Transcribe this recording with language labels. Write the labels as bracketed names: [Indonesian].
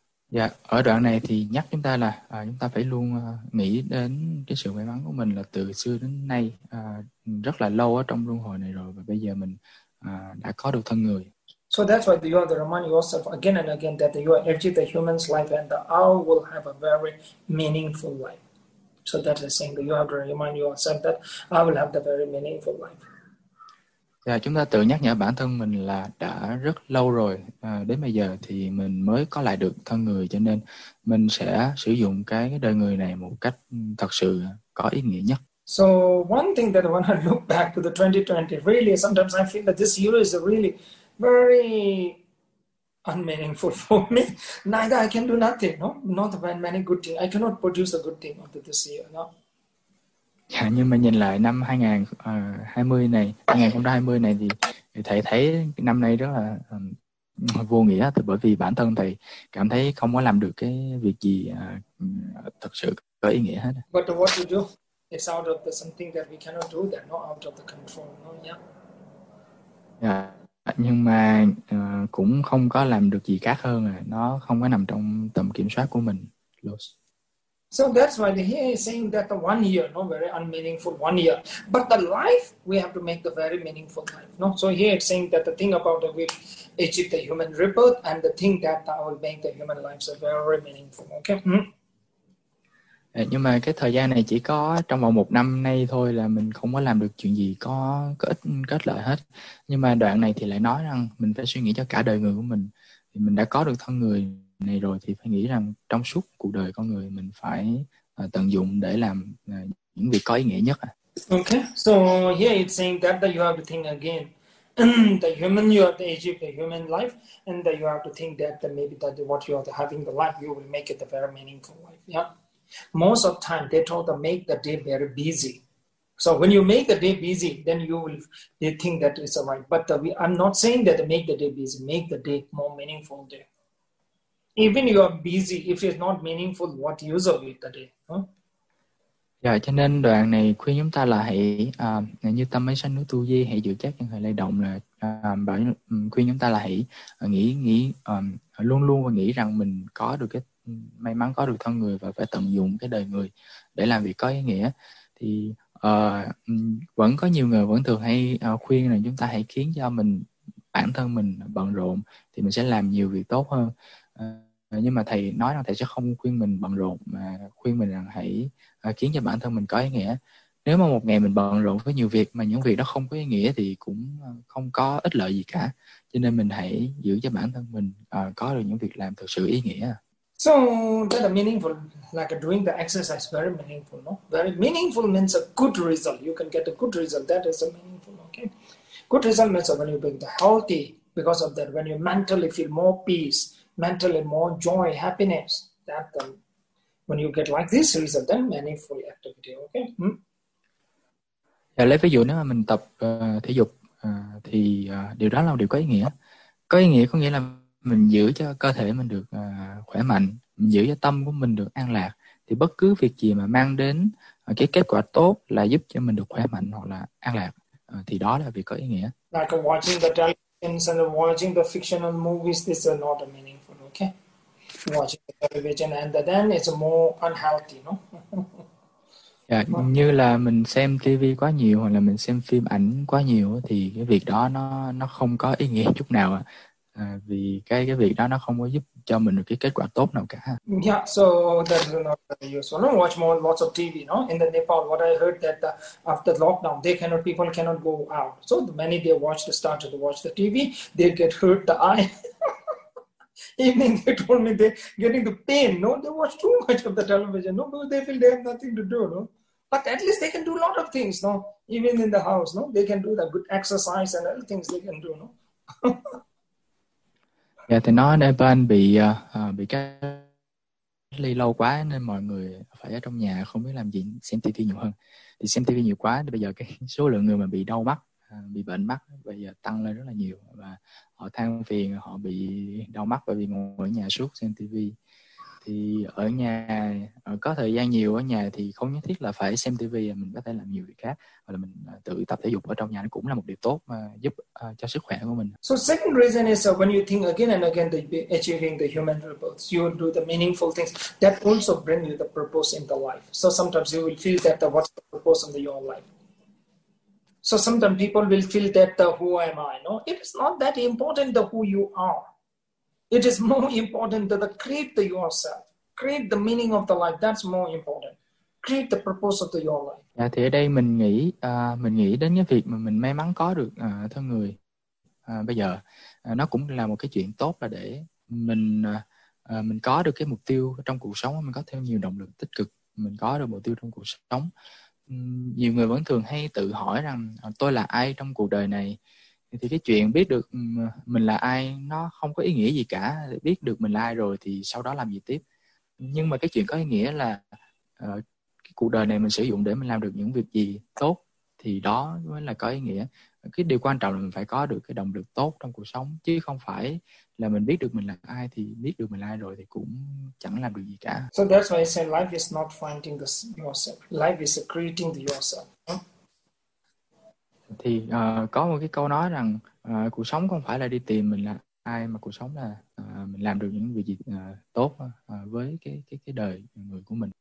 [Vietnamese] Dạ, ở đoạn này thì nhắc chúng ta là chúng ta phải luôn nghĩ đến cái sự may mắn của mình là từ xưa đến nay rất là lâu ở trong luân hồi này rồi, và bây giờ mình đã có được thân người. [English] So that's why you have to remind yourself again and again that you have achieved the human's life and the owl will have a very meaningful life. So that is saying that you have to remind yourself that I will have the very meaningful life. [Vietnamese] Dạ, chúng ta tự nhắc nhở bản thân mình là đã rất lâu rồi, đến bây giờ thì mình mới có lại được thân người, cho nên mình sẽ sử dụng cái đời người này một cách thật sự có ý nghĩa nhất. [English] So one thing that when I look back to the 2020, really, sometimes I feel that this year is a really very unmeaningful for me. Neither I can do nothing, no? Not many good things. I cannot produce a good thing out of this year, no? [Vietnamese] Dạ, nhưng mà nhìn lại năm 2020 này, 2020 này thì thầy thấy năm nay rất là vô nghĩa, thì bởi vì bản thân thầy cảm thấy không có làm được cái việc gì thực sự có ý nghĩa hết. [English] But what to do? It's out of the something that we cannot do, that not out of the control, no? Yeah. [Vietnamese] Dạ, nhưng mà cũng không có làm được gì khác hơn, nó không có nằm trong tầm kiểm soát của mình. Los. [English] So that's why he is saying that the 1 year, no, very unmeaningful 1 year. But the life, we have to make the very meaningful life, no? So here it's saying that the thing about the week, achieve the human rebirth, and the thing that will make the human life so very meaningful, okay? [Vietnamese] Nhưng mà cái thời gian này chỉ có trong vòng một năm nay thôi là mình không có làm được chuyện gì có ích kết lợi hết. Nhưng mà đoạn này thì lại nói rằng mình phải suy nghĩ cho cả đời người của mình. Thì mình đã có được thân người này rồi thì phải nghĩ rằng trong suốt cuộc đời con người mình phải tận dụng để làm những việc có ý nghĩa nhất. [English] Okay, so here it's saying that, that you have to think again. The human, you have to achieve the human life, and that you have to think that, that maybe that what you are having the life, you will make it a very meaningful life. Yeah. Most of time they told to make the day very busy. So when you make the day busy, then you will they think that it's all right. But I'm not saying that make the day busy, make the day more meaningful day. Even you are busy, if it's not meaningful, what use of it the day? Huh? [Vietnamese] Yeah, cho nên đoạn này khuyên chúng ta là hãy như tâm ấy sanh nữ tu di, hãy giữ chắc những hơi lay động, là bảo khuyên chúng ta là hãy nghĩ luôn luôn và nghĩ rằng mình có được cái may mắn có được thân người và phải tận dụng cái đời người để làm việc có ý nghĩa. Thì vẫn có nhiều người vẫn thường hay khuyên là chúng ta hãy khiến cho mình bản thân mình bận rộn thì mình sẽ làm nhiều việc tốt hơn. Nhưng mà thầy nói rằng thầy sẽ không khuyên mình bận rộn, mà khuyên mình rằng hãy khiến cho bản thân mình có ý nghĩa. Nếu mà một ngày mình bận rộn với nhiều việc mà những việc đó không có ý nghĩa thì cũng không có ích lợi gì cả. Cho nên mình hãy giữ cho bản thân mình có được những việc làm thực sự ý nghĩa. [English] So that the meaningful, like doing the exercise, very meaningful, no? Very meaningful means a good result. You can get a good result. That is a meaningful, okay? Good result means when you bring the healthy, because of that, when you mentally feel more peace, mentally more joy, happiness, that when you get like this result, then meaningful activity, okay? [Vietnamese] Yeah, lấy ví dụ nếu mà mình tập thể dục thì điều đó là điều có ý nghĩa. Có ý nghĩa có nghĩa là mình giữ cho cơ thể mình được khỏe mạnh, mình giữ cho tâm của mình được an lạc, thì bất cứ việc gì mà mang đến cái kết quả tốt là giúp cho mình được khỏe mạnh hoặc là an lạc, thì đó là việc có ý nghĩa. [English] Like watching the television and watching the fictional movies, this is not a meaningful, okay? Watching the television and then it's more unhealthy, no? [Vietnamese] Yeah, như là mình xem TV quá nhiều hoặc là mình xem phim ảnh quá nhiều thì cái việc đó nó không có ý nghĩa chút nào ạ. Vì cái việc đó nó không có giúp cho mình được cái kết quả tốt nào cả. [English] Yeah, so that's not useful. No, watch more lots of TV, no? In the Nepal, what I heard that after lockdown, people cannot go out. So many they started to watch the TV, they get hurt the eye. Even they told me they getting the pain, no? They watch too much of the television, no? Because they feel they have nothing to do, no? But at least they can do a lot of things, no? Even in the house, no? They can do the good exercise and other things they can do, no? [Vietnamese] Dạ, thì nói Nepal bị cách ly lâu quá nên mọi người phải ở trong nhà không biết làm gì, xem TV nhiều hơn. Thì xem TV nhiều quá thì bây giờ cái số lượng người mà bị đau mắt, bị bệnh mắt bây giờ tăng lên rất là nhiều. Và họ than phiền, họ bị đau mắt bởi vì ngồi ở nhà suốt xem TV. Thì ở nhà, có thời gian nhiều ở nhà thì không nhất thiết là phải xem TV, mình có thể làm nhiều việc khác. Hoặc là mình tự tập thể dục ở trong nhà, nó cũng là một điều tốt mà giúp cho sức khỏe của mình. [English] So second reason is when you think again and again achieving the human purpose, you do the meaningful things, that also bring you the purpose in the life. So sometimes you will feel that what's the purpose in your life. So sometimes people will feel that who am I, no? It is not that important the who you are. It is more important to create the yourself, create the meaning of the life. That's more important. Create the purpose of the your life. [Vietnamese] Dạ, thì ở đây mình nghĩ đến cái việc mà mình may mắn có được thân người bây giờ, nó cũng là một cái chuyện tốt, là để mình có được cái mục tiêu trong cuộc sống, mình có thêm nhiều động lực tích cực, mình có được mục tiêu trong cuộc sống. nhiều người vẫn thường hay tự hỏi rằng tôi là ai trong cuộc đời này, thì cái chuyện biết được mình là ai nó không có ý nghĩa gì cả. Biết được mình là ai rồi thì sau đó làm gì tiếp? Nhưng mà cái chuyện có ý nghĩa là cái cuộc đời này mình sử dụng để mình làm được những việc gì tốt thì đó mới là có ý nghĩa. Cái điều quan trọng là mình phải có được cái động lực tốt trong cuộc sống, chứ không phải là mình biết được mình là ai thì biết được mình là ai rồi thì cũng chẳng làm được gì cả. [English] So that's why I say life is not finding the yourself. Life is creating the yourself. [Vietnamese] Thì có một cái câu nói rằng cuộc sống không phải là đi tìm mình là ai, mà cuộc sống là mình làm được những việc gì tốt với cái đời người của mình.